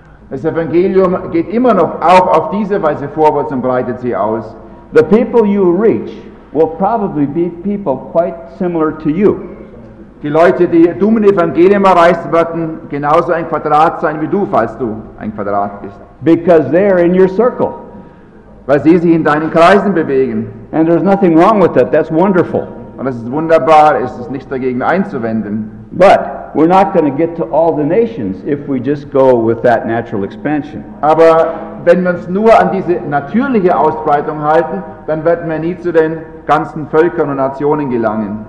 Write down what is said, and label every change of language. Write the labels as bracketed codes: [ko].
[de] Das Evangelium geht immer noch auch auf diese Weise vorwärts und breitet sie aus. [en] The people you reach will probably be people quite similar to you. [de] Die Leute, die du mit dem Evangelium erreichst, werden genauso ein Quadrat sein wie du, falls du ein Quadrat bist. [en] Because they're in your circle. [de] Weil sie sich in deinen Kreisen bewegen. [en] And there's nothing wrong with that. That's wonderful. [de] Und das ist wunderbar. Es ist nichts dagegen einzuwenden. [en] But we're not going to get to all the nations if we just go with that natural expansion. [de] Aber wenn wir uns nur an diese natürliche Ausbreitung halten, dann werden wir nie zu den ganzen Völkern und Nationen gelangen.